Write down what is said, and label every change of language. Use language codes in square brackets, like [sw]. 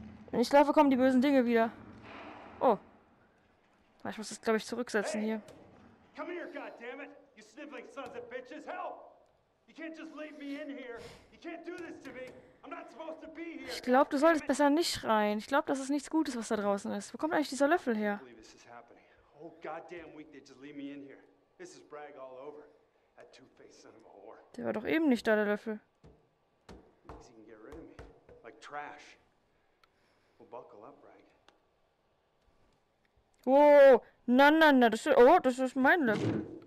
[de] Wenn ich schlafe, kommen die bösen Dinge wieder. Oh. Ich muss das, glaube ich, zurücksetzen hier. Komm her, [en] goddammit! [de] Du [en] sniffling sons of bitches! Help! [de] Du kannst mich nicht hier lassen! Du kannst das nicht machen! Ich glaube, du solltest besser nicht schreien. Ich glaube, das ist nichts Gutes, was da draußen ist. Wo kommt eigentlich dieser Löffel her? [en] Oh, goddamn week, they just leave me in here. This is brag all over. That two-faced son of a whore. [de] Der war doch eben nicht da, der Löffel. [en] He can get rid of me. Like trash. Well, buckle up, brag. [de] Whoa, na, na, na, das ist, oh, das ist mein Löffel.